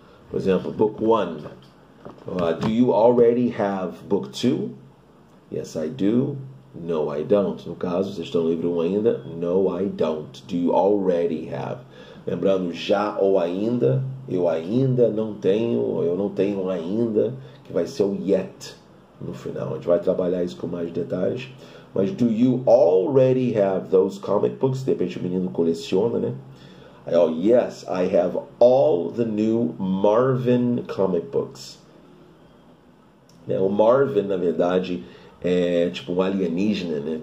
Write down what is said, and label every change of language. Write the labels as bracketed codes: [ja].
[pt] Por exemplo, [en] book one. Do you already have book two? Yes, I do. No, I don't. [pt] No caso, vocês estão no livro um ainda? [en] No, I don't. Do you already have? [pt] Lembrando, já ou ainda. Eu ainda não tenho. Eu não tenho ainda. Que vai ser o yet. No final, a gente vai trabalhar isso com mais detalhes. [en] Mas do you already have those comic books? [pt] De repente o menino coleciona, né? [en] Oh, yes, I have all the new Marvin comic books. Né? [pt] O Marvin, na verdade, é tipo um alienígena, né?